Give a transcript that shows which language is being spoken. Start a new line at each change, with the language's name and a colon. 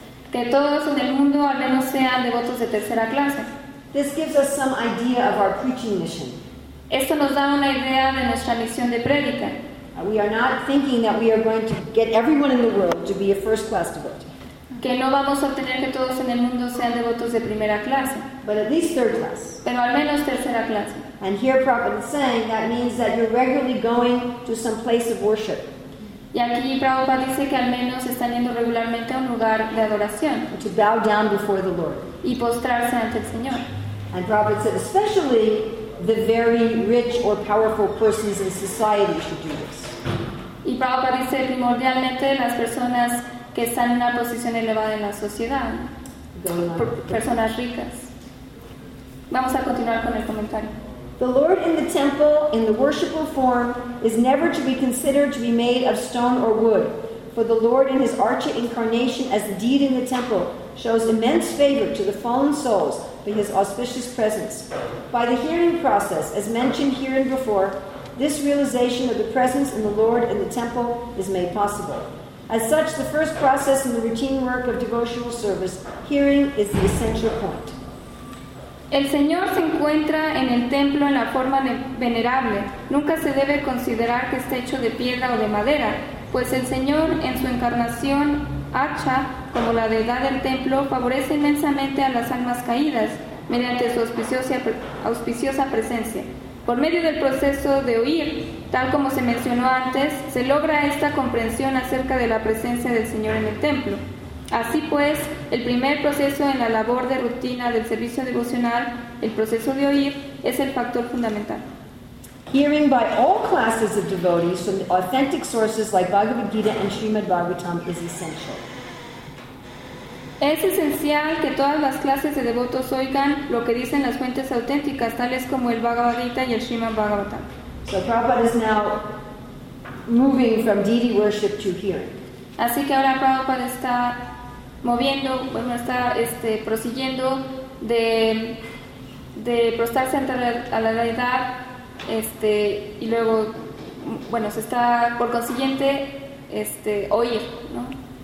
Spanish: Que todos en el mundo al menos sean devotos de tercera clase.
English: This gives us some idea of our preaching mission.
Spanish: Esto nos da una idea de nuestra misión de prédica.
English: We are not thinking that we are going to get everyone in the world to be a first class devotee.
Spanish: Que no vamos a obtener que todos en el mundo sean devotos de primera clase.
English: But at least third class.
Spanish: Pero al menos tercera clase.
English: And here Prabhupada is saying that means that you're regularly going to some place of worship.
Spanish: Y aquí Prabhupada dice que al menos están yendo regularmente a un lugar de adoración.
English: To bow down before the Lord.
Spanish: Y postrarse ante el Señor.
English: And Prabhupada said especially the very rich or powerful persons in society should do this.
Spanish: Y Prabhupada dice primordialmente las personas que están en una posición elevada en la sociedad. Personas ricas. Vamos a continuar con el comentario.
English: The Lord in the temple, in the worshipful form, is never to be considered to be made of stone or wood. For the Lord in his archa incarnation as the deed in the temple shows immense favor to the fallen souls by his auspicious presence. By the hearing process, as mentioned here and before, this realization of the presence in the Lord in the temple is made possible. As such, the first process in the routine work of devotional service, hearing is the essential point.
Spanish: El Señor se encuentra en el templo en la forma venerable. Nunca se debe considerar que está hecho de piedra o de madera, pues el Señor, en su encarnación archa, como la deidad del templo, favorece inmensamente a las almas caídas mediante su auspiciosa presencia. Por medio del proceso de oír, tal como se mencionó antes, se logra esta comprensión acerca de la presencia del Señor en el templo. Así pues, el primer proceso en la labor de rutina del servicio devocional, el proceso de oír, es el factor fundamental.
English: Hearing by all classes of devotees from the authentic sources like Bhagavad Gita and Srimad Bhagavatam is essential.
Spanish: Es esencial que todas las clases de devotos oigan lo que dicen las fuentes auténticas, tales como el Bhagavad Gita y el Srimad Bhagavatam.
English: So Prabhupada is now moving from deity worship to hearing.
Spanish: Así que ahora Prabhupada está moviendo, bueno, está prosiguiendo de prostrarse ante a la deidad, y luego, bueno, se está, por consiguiente, oír, ¿no?